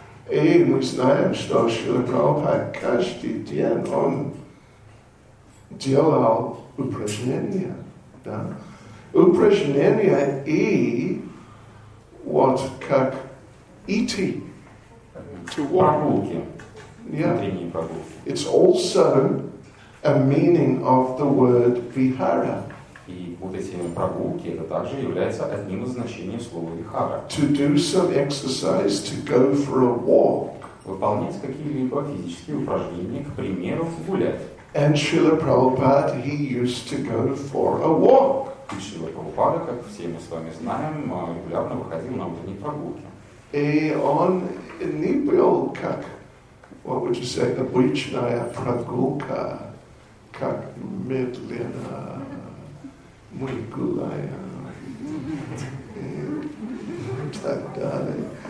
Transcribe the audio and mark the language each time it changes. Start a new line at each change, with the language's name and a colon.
Russian: И мы знаем, что Шрила Прабхупада каждый день он делал упражнения. Да? Упражнения и вот как идти. Прогулки. Внутренние прогулки.
English: It's also a meaning of the word vihara.
Russian: И вот эти прогулки, это также является одним из значений слова vihara.
English: To do some exercise, to go for a walk.
Russian: Выполнять какие-либо физические упражнения, к примеру, гулять.
English: And Srila Prabhupada, he used to go for a walk.
Russian: И Шрила Прабхупада, как все мы с вами знаем, регулярно выходил на утренние прогулки. И он не был как,
English: what would you say,
Russian: обычная прогулка. Как медленно. мой Гулая, и так далее.